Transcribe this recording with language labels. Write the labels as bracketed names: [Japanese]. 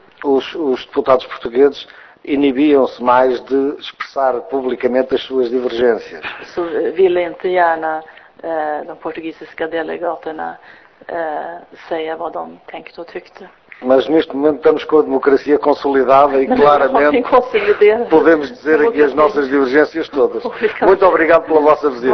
[Portuguese] Os deputados portugueses inibiam-se mais de expressar publicamente as suas divergências. [Swedish] Så ville inte gärna de portugisiska delegaterna säga vad de tänkte och tyckte. [Portuguese] Mas neste momento estamos com a democracia consolidada e claramente podemos dizer aqui as nossas divergências todas. Muito obrigado pela vossa visita.